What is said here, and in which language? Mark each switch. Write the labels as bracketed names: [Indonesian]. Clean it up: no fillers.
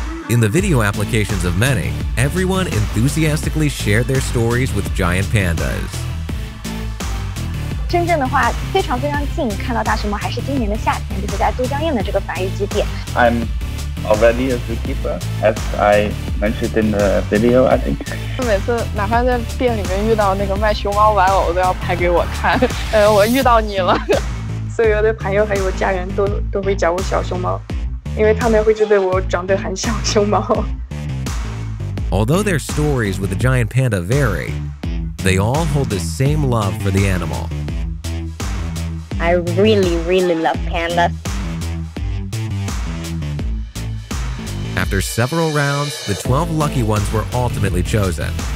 [English] In the video applications of many, everyone enthusiastically shared their stories with giant pandas. I'm already a zookeeper, as I mentioned in the video, I think. [Chinese] 每次哪怕在店里面遇到那个卖熊猫玩偶都要拍给我看，我遇到你了。所有的朋友还有家人都会叫我小熊猫，因为他们会觉得我长得很像熊猫。 [English] Although their stories with the giant panda vary, they all hold the same love for the animal. I really, really love pandas. After several rounds, the 12 lucky ones were ultimately chosen.